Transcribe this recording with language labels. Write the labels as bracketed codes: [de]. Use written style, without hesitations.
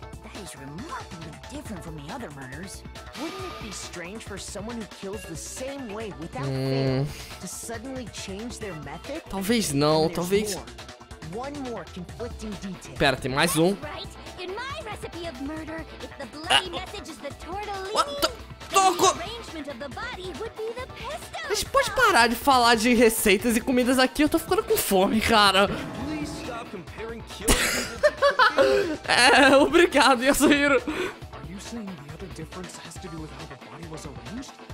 [en] That is remarkably different from the other murders. Wouldn't it be strange for someone who kills the same way without fail to suddenly change their method? [pt] Talvez não, talvez. [en] One more conflicting detail. [pt] Pera, tem mais um. [en] In my recipe of murder, if the bloody message is the tortellini, the arrangement of the body would be the pesto. [pt] Mas pode parar de falar de receitas e comidas aqui, eu tô ficando com fome, cara. [en] Please stop comparing kills. [pt] É, obrigado, Yasuhiro. [en] Are you saying the other difference has to do with how the body was arranged?